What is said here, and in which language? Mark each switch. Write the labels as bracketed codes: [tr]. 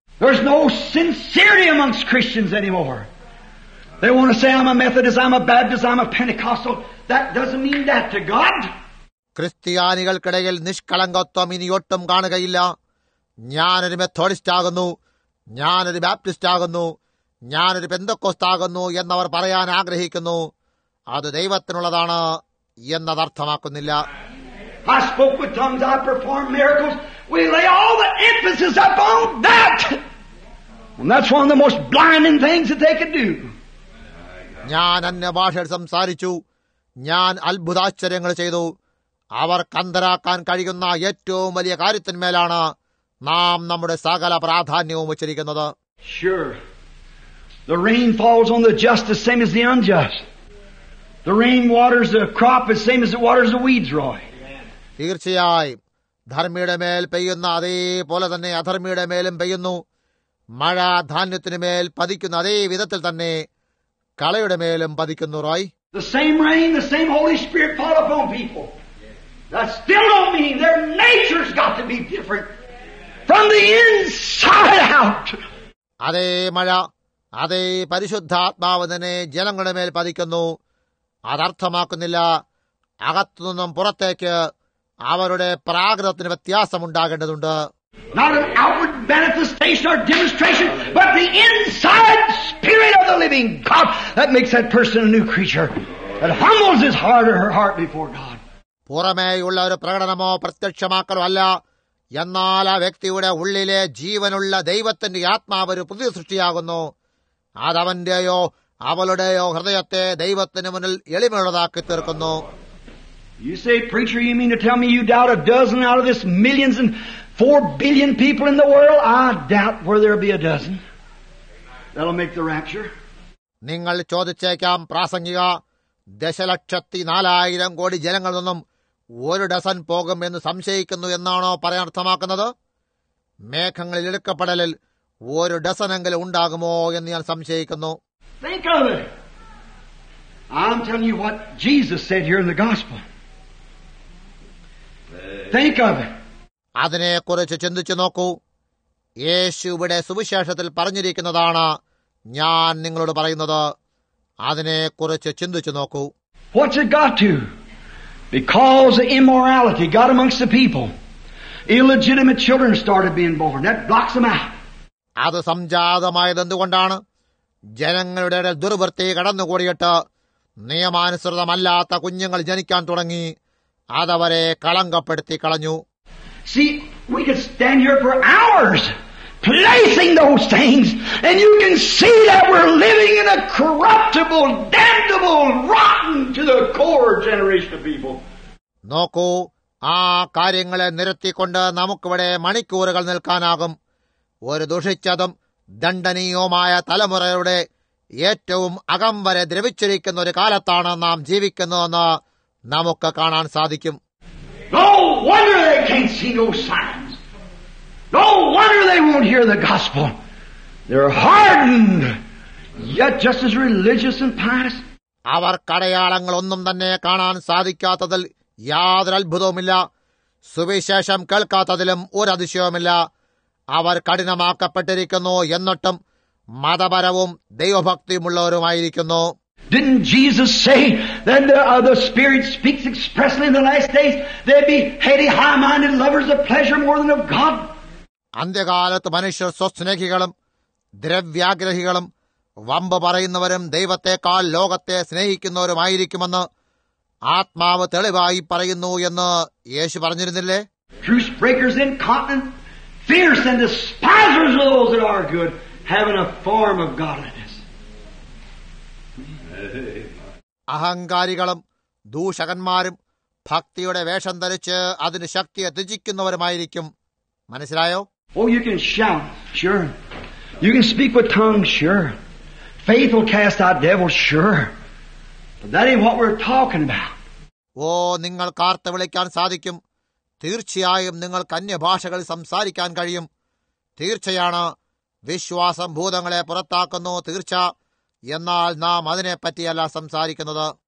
[en] There's no sincerity amongst Christians anymore. They want to say, "I'm a Methodist, I'm a Baptist, I'm a Pentecostal." That doesn't mean that to God. [ml] ക്രിസ്ത്യാനികൾക്കിടയിൽ നിഷ്കളങ്കത്വം ഇനി ഒട്ടും കാണുകയില്ല. ഞാനൊരു Methodist ആകുന്നു, ഞാനൊരു Baptist ആകുന്നു, ഞാനൊരു Pentecost ആകുന്നു എന്നവർ പറയാൻ ആഗ്രഹിക്കുന്നു. അത് ദൈവത്തിനുള്ളതാണ് എന്നത് അർത്ഥമാക്കുന്നില്ല. [en] I spoke with tongues, I performed miracles. We lay all the emphasis upon that. And that's one of the most blinding things that they can do. [ml] ഞാൻ അന്യഭാഷയിൽ സംസാരിച്ചു, ഞാൻ അത്ഭുതാശ്ചര്യങ്ങൾ ചെയ്തു. അവർക്കന്ധരാക്കാൻ കഴിയുന്ന ഏറ്റവും വലിയ കാര്യത്തിന്മേലാണ് നാം നമ്മുടെ സകല പ്രാധാന്യവും വച്ചിരിക്കുന്നത്. [en] Sure. The rain falls on the just the same as the unjust. The rain waters the crop the same as it waters the weeds, Roy. [ml] തീർച്ചയായും ധർമ്മിയുടെ മേൽ പെയ്യുന്ന അതേപോലെ തന്നെ അധർമ്മിയുടെ മേലും പെയ്യുന്നു. മഴ ധാന്യത്തിനു മേൽ പതിക്കുന്ന അതേ വിധത്തിൽ തന്നെ കളയുടെ മേലും പതിക്കുന്നു. Roy, [en] the same rain, the same Holy Spirit fall upon people. That still don't mean their nature's got to be different from the inside out. [ml] അതേ മഴ, അതേ പരിശുദ്ധാത്മാവ് തന്നെ ജനങ്ങളുടെ മേൽ പതിക്കുന്നു. അതർത്ഥമാക്കുന്നില്ല അകത്തുനിന്നും പുറത്തേക്ക് അവരുടെ പ്രാകൃതത്തിന് വ്യത്യാസം ഉണ്ടാകേണ്ടതുണ്ട്. [en] Not an outward manifestation or demonstration, but the inside spirit of the living God that makes that person a new creature, that humbles his heart or her heart before God. [ml] പുറമേയുള്ള ഒരു പ്രകടനമോ പ്രത്യക്ഷമാക്കലോ അല്ല, എന്നാൽ ആ വ്യക്തിയുടെ ഉള്ളിലെ ജീവനുള്ള ദൈവത്തിന്റെ ആത്മാവ് ഒരു പുതിയ സൃഷ്ടിയാകുന്നു. അത് അവന്റെയോ അവളുടെയോ ഹൃദയത്തെ ദൈവത്തിന് മുന്നിൽ എളിമയുള്ളതാക്കി തീർക്കുന്നു. [en] You say, "Preacher, you mean to tell me you doubt a dozen out of this millions and 4 billion people in the world?" I doubt where there'll be a dozen that'll make the rapture. [ml] നിങ്ങൾ ചോദിച്ചേക്കാം, പ്രാസംഗിക, ദശലക്ഷത്തി 4,000 കോടി ജനങ്ങളിൽ നിന്നും ഒരു dozen പോകും എന്ന് സംശയിക്കുന്നു എന്നാണോ പറയാൻ അർത്ഥമാക്കുന്നത്? മേഘങ്ങളിൽ ഇടുക്കപ്പെടലിൽ ഒരു ഡസൻ എങ്കിലും ഉണ്ടാകുമോ എന്ന് ഞാൻ സംശയിക്കുന്നു. [en] Think of it. I'm telling you what Jesus said here in the gospel. Think of it. [ml] അതിനെക്കുറിച്ച് ചിന്തിച്ചു നോക്കൂ. യേശുവിടെ സുവിശേഷത്തിൽ പറഞ്ഞിരിക്കുന്നതാണ് ഞാൻ നിങ്ങളോട് പറയുന്നത്. അതിനെ കുറിച്ച് ചിന്തിച്ചു നോക്കൂ. [en] What's it got to? Because the immorality got amongst the people. Illegitimate children started being born. That blocks them out. [ml] അത് സംജാതമായത് എന്തുകൊണ്ടാണ്? ജനങ്ങളുടെ ഇടയിൽ ദുർവൃത്തി കടന്നുകൂടിയിട്ട് നിയമാനുസൃതമല്ലാത്ത കുഞ്ഞുങ്ങൾ ജനിക്കാൻ തുടങ്ങി. അതവരെ കളങ്കപ്പെടുത്തി കളഞ്ഞു. [en] See, we could stand here for hours placing those things, and you can see that we're living in a corruptible, damnable, rotten to the core generation of people. [ml] നോക്കൂ, ആ കാര്യങ്ങളെ നിരത്തിക്കൊണ്ട് നമുക്കിവിടെ മണിക്കൂറുകൾ നിൽക്കാനാകും. ഒരു ദുഷിച്ചതും ദണ്ഡനീയവുമായ തലമുറയുടെ ഏറ്റവും അകം വരെ ദ്രവിച്ചിരിക്കുന്ന ഒരു കാലത്താണ് നാം ജീവിക്കുന്നതെന്ന് നമുക്ക് കാണാൻ സാധിക്കും. [en] No wonder they can't see no signs. No wonder they won't hear the gospel. They're hardened, yet just as religious and pious. [ml] അവർക്കടയാളങ്ങളൊന്നും തന്നെ കാണാൻ സാധിക്കാത്തതിൽ യാതൊരു അത്ഭുതവുമില്ല. സുവിശേഷം കേൾക്കാത്തതിലും ഒരതിശയവുമില്ല. അവർ കഠിനമാക്കപ്പെട്ടിരിക്കുന്നു എന്നിട്ടും മതപരവും ദൈവഭക്തിയുമുള്ളവരുമായിരിക്കുന്നു. [en] Didn't Jesus say that the Spirit speaks expressly in the last days they'd be heady, high-minded lovers of pleasure more than of God? [ml] അന്ത്യകാലത്ത് മനുഷ്യർ സ്വസ്നേഹികളും ദ്രവ്യാഗ്രഹികളും വമ്പ പറയുന്നവരും ദൈവത്തെക്കാൾ ലോകത്തെ സ്നേഹിക്കുന്നവരുമായിരിക്കുമെന്ന് ആത്മാവ് തെളിവായി പറയുന്നു എന്ന് യേശു പറഞ്ഞിരുന്നില്ലേ? [en] Truth breakers in cotton, fierce and despisers of those that are good, having a form of godliness. [ml] അഹങ്കാരികളും ദൂഷകന്മാരും ഭക്തിയുടെ വേഷം ധരിച്ച് അതിന് ശക്തിയെ ത്യജിക്കുന്നവരുമായിരിക്കും. മനസ്സിലായോ? [en] Oh, you can shout, sure. You can speak with tongues, sure. Faith will cast out devils, sure. But that ain't what we're talking about. [ml] ഓ, നിങ്ങൾ കാർത്ത് വിളിക്കാൻ സാധിക്കും. തീർച്ചയായും നിങ്ങൾക്ക് അന്യഭാഷകളിൽ സംസാരിക്കാൻ കഴിയും. തീർച്ചയാണ് വിശ്വാസം ഭൂതങ്ങളെ പുറത്താക്കുന്നു. തീർച്ച. എന്നാൽ നാം അതിനെപ്പറ്റിയല്ല സംസാരിക്കുന്നത്.